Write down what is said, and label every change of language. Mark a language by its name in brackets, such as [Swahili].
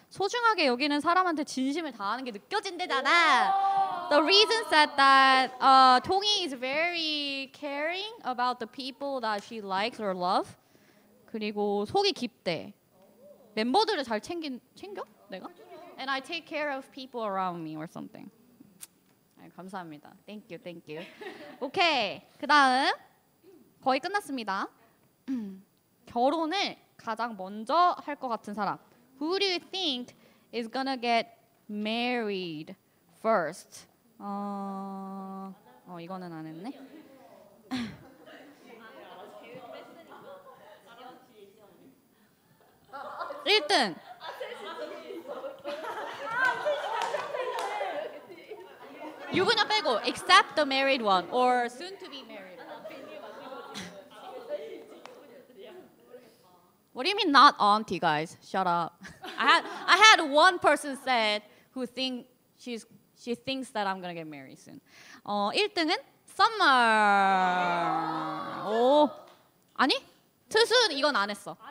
[Korean] 소중하게 여기는 사람한테 진심을 다하는 게 느껴진대잖아. [English] The reason said that Tongi is very caring about the people that she likes or love. [Korean] 그리고 속이 깊대. 멤버들을 잘 챙겨? 내가? [English] And I take care of people around me or something. [Korean] 아니, 감사합니다. [English] Thank you, thank you. [Korean] 오케이. 그다음 거의 끝났습니다. 결혼을 가장 먼저 할 것 같은 사람. [English] Who do you think is gonna get married first? [Korean] 이거는 안 했네. 1등. 유부녀 빼고, [English] except the married one or soon to be married. What do you mean not auntie, guys? Shut up. I had one person said who think she thinks that I'm gonna get married soon. [Korean] 1등은 summer. 오 아니 투순 이건 안 했어.